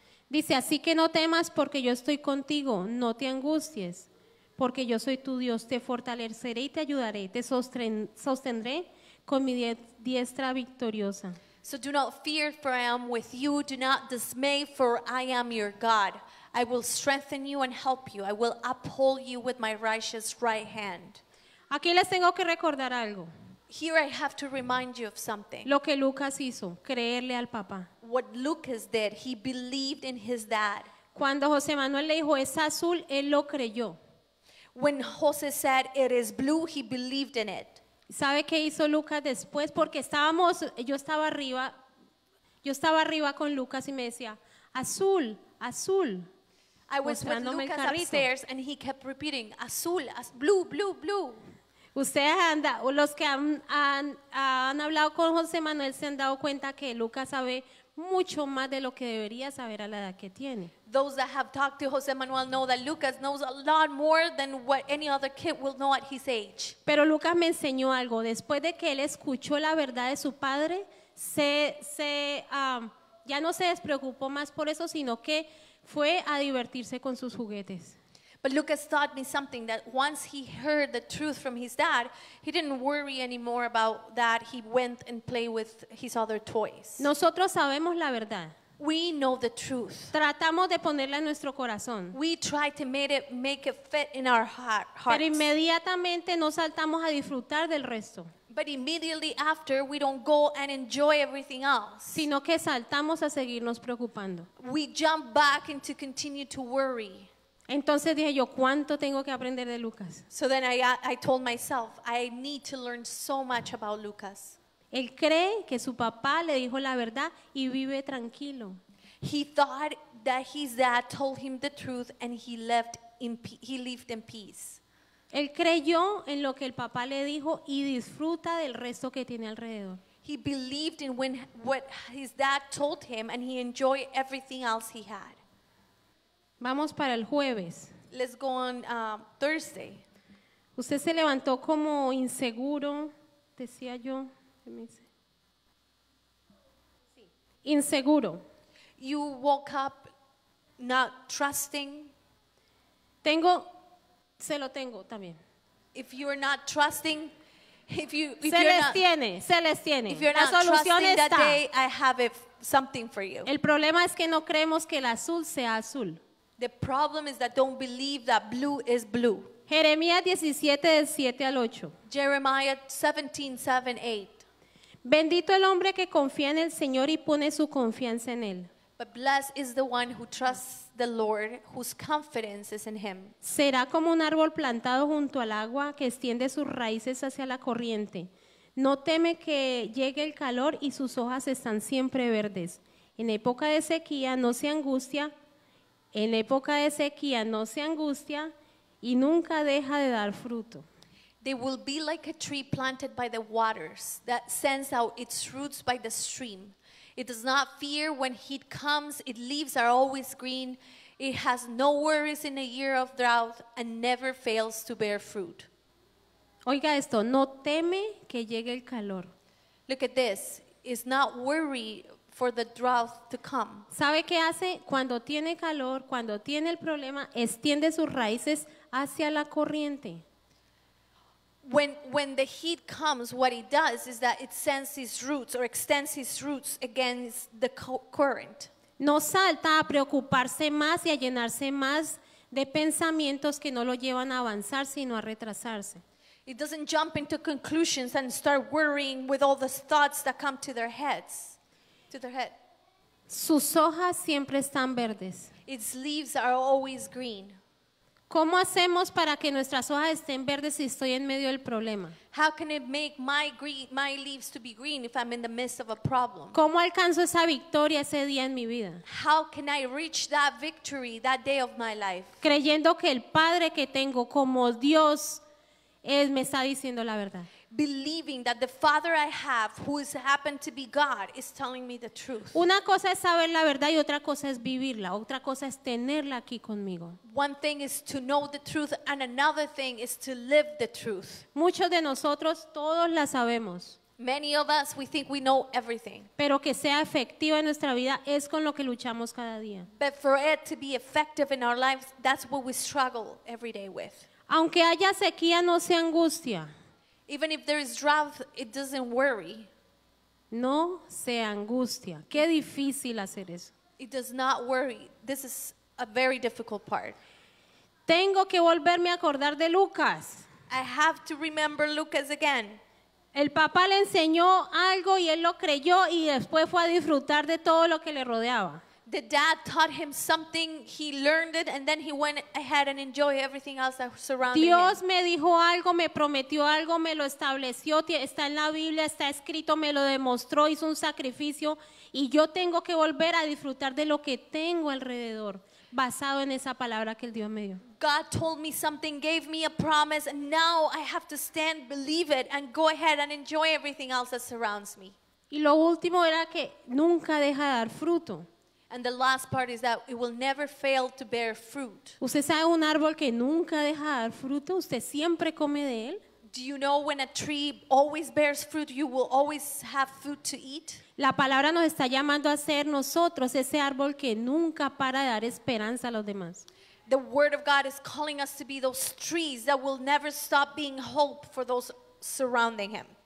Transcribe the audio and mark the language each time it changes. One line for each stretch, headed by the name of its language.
Spanish: Dice, así que no temas porque yo estoy contigo, no te angusties, porque yo soy tu Dios, te fortaleceré y te ayudaré, te sostendré con mi diestra victoriosa.
English: So do not fear, for I am with you, do not dismay, for I am your God. I will strengthen you and help you. I will uphold you with my righteous right hand.
Spanish: Aquí les tengo que recordar algo.
English: Here I have to remind you of something.
Spanish: Lo que Lucas hizo, creerle al papá.
English: What Lucas did, he believed in his dad.
Spanish: Cuando José Manuel le dijo, es azul, él lo creyó.
English: When José said, it is blue, he believed in it.
Spanish: ¿Sabe qué hizo Lucas después? Porque yo estaba arriba con Lucas y me decía, azul, azul.
English: I was with Lucas upstairs and he kept repeating, azul, blue, blue, blue.
Spanish: Ustedes los que han hablado con José Manuel se han dado cuenta que Lucas sabe mucho más de lo que debería saber a la edad que tiene.
English: Those that have talked to José Manuel know that Lucas knows a lot more than what any other kid will know at his age.
Spanish: Pero Lucas me enseñó algo. Después de que él escuchó la verdad de su padre, ya no se despreocupó más por eso, sino que fue a divertirse con sus juguetes.
English: But Lucas taught me something, that once he heard the truth from his dad, he didn't worry anymore about that. He went and played with his other toys.
Spanish: Nosotros sabemos la verdad.
English: We know the truth.
Spanish: Tratamos de ponerla en nuestro corazón.
English: We try to make it fit in our hearts.
Spanish: Pero inmediatamente no saltamos a disfrutar del resto.
English: But immediately after, we don't go and enjoy everything else.
Spanish: Sino que saltamos a seguirnos preocupando.
English: We jump back into continue to worry.
Spanish: Entonces dije yo, ¿cuánto tengo que aprender de Lucas?
English: So then I told myself, I need to learn so much about Lucas.
Spanish: Él cree que su papá le dijo la verdad y vive tranquilo.
English: He thought that his dad told him the truth and he lived in peace.
Spanish: Él creyó en lo que el papá le dijo y disfruta del resto que tiene alrededor.
English: He believed in what his dad told him and he enjoyed everything else he had.
Spanish: Vamos para el jueves.
English: Let's go on Thursday.
Spanish: Usted se levantó como inseguro, decía yo. ¿Qué me dice? Sí. Inseguro.
English: You woke up not trusting.
Spanish: Se lo tengo también.
English: If you're not trusting,
Spanish: se les tiene.
English: If you're
Spanish: la
English: not
Spanish: solución
English: trusting
Spanish: está.
English: That day, I have something for you.
Spanish: El problema es que no creemos que el azul sea azul.
English: The problem is that don't believe that blue is blue.
Spanish: Jeremías 17, del 7 al 8.
English: Jeremiah 17, 7, 8.
Spanish: Bendito el hombre que confía en el Señor y pone su confianza en él.
English: But blessed is the one who trusts the Lord, whose confidence is in him.
Spanish: Será como un árbol plantado junto al agua que extiende sus raíces hacia la corriente. No teme que llegue el calor y sus hojas están siempre verdes. En época de sequía no se angustia. En época de sequía no se angustia y nunca deja de dar fruto.
English: They will be like a tree planted by the waters that sends out its roots by the stream. It does not fear when heat comes, its leaves are always green. It has no worries in a year of drought and never fails to bear fruit.
Spanish: Oiga esto, no teme que llegue el calor.
English: Look at this, it's not worried for the drought to come.
Spanish: ¿Sabe qué hace? Cuando tiene calor, cuando tiene el problema, extiende sus raíces hacia la corriente.
English: When the heat comes, what it does is that it sends its roots or extends its roots against the current.
Spanish: No salta a preocuparse más y a llenarse más de pensamientos que no lo llevan a avanzar, sino a retrasarse.
English: It doesn't jump into conclusions and start worrying with all the thoughts that come to their heads. To their head.
Spanish: Sus hojas siempre están verdes.
English: Its leaves are always green.
Spanish: ¿Cómo hacemos para que nuestras hojas estén verdes si estoy en medio del problema?
English: How can it make my leaves to be green if I'm in the midst of a problem?
Spanish: ¿Cómo alcanzo esa victoria ese día en mi vida?
English: How can I reach that victory that day of my life?
Spanish: Creyendo que el Padre que tengo como Dios es, me está diciendo la verdad.
English: Believing that the father I have, who has happened to be God, is telling me the truth.
Spanish: Una cosa es saber la verdad y otra cosa es vivirla. Otra cosa es tenerla aquí conmigo.
English: One thing is to know the truth and another thing is to live the truth.
Spanish: Muchos de nosotros, todos la sabemos.
English: Many of us, we think we know everything.
Spanish: Pero que sea efectiva en nuestra vida es con lo que luchamos cada día.
English: But for it to be effective in our lives, that's what we struggle every day with.
Spanish: Aunque haya sequía, no se angustia.
English: Even if there is drought, it doesn't worry.
Spanish: No se angustia. Qué difícil hacer eso.
English: It does not worry. This is a very difficult part.
Spanish: Tengo que volverme a acordar de Lucas.
English: I have to remember Lucas again.
Spanish: El papá le enseñó algo y él lo creyó y después fue a disfrutar de todo lo que le rodeaba.
English: The dad taught him something, he learned it, and then he went ahead and enjoyed everything else that surrounded
Spanish: Dios
English: him.
Spanish: Me dijo algo, me prometió algo, me lo estableció, está en la Biblia, está escrito, me lo demostró, hizo un sacrificio, y yo tengo que volver a disfrutar de lo que tengo alrededor, basado en esa palabra que el Dios me dio.
English: God told me something, gave me a promise, and now I have to stand, believe it, and go ahead and enjoy everything else that surrounds me.
Spanish: Y lo último era que nunca deja de dar fruto.
English: And the last part is that it will never fail to bear fruit.
Spanish: ¿Usted sabe un árbol que nunca deja dar fruto? ¿Usted siempre come de él?
English: Do you know when a tree always bears fruit, you will always have food to eat?
Spanish: La palabra nos está llamando a ser nosotros ese árbol que nunca para de dar esperanza a los demás.
English: The word of God is calling us to be those trees that will never stop being hope for those surrounding him.